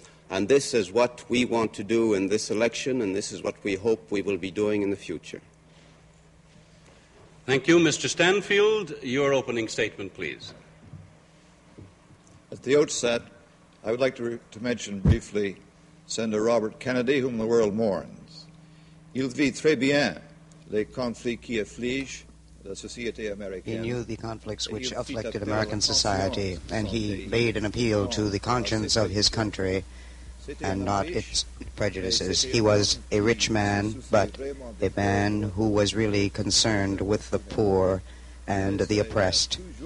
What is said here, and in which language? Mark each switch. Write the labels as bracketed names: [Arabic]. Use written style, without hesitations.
[English] And this is what we want to do in this election, and this is what we hope we will be doing in the future. Thank you, Mr. Stanfield. Your opening statement, please. At the outset, I would like to mention briefly Senator Robert Kennedy, whom the world mourns. [French] Il vit très bien les conflits qui affligent la société américaine. [English] He knew the conflicts which afflicted American society, and he made an appeal to the conscience of his country and not its prejudices. He was a rich man, but a man who was really concerned with the poor and the oppressed.